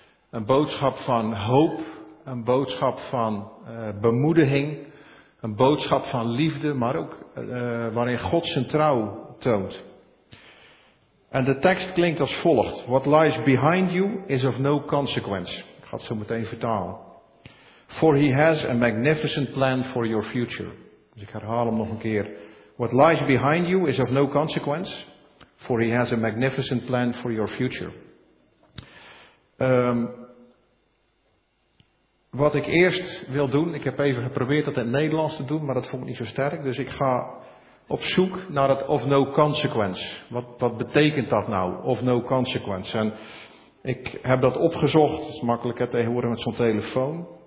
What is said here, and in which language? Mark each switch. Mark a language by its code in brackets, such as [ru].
[nl] Een boodschap van hoop, een boodschap van bemoediging, een boodschap van liefde, maar ook waarin God zijn trouw toont. En de tekst klinkt als volgt: [en] What lies behind you is of no consequence. [nl] Ik ga het zo meteen vertalen. [en] For he has a magnificent plan for your future. [nl] Dus ik herhaal hem nog een keer. [en] What lies behind you is of no consequence. For he has a magnificent plan for your future. [nl] Wat ik eerst wil doen, ik heb even geprobeerd dat in het Nederlands te doen, maar dat vond ik niet zo sterk. Dus ik ga op zoek naar het [en] of no consequence. [nl] Wat betekent dat nou, [en] of no consequence? [nl] En ik heb dat opgezocht, dat is makkelijk hè, tegenwoordig met zo'n telefoon.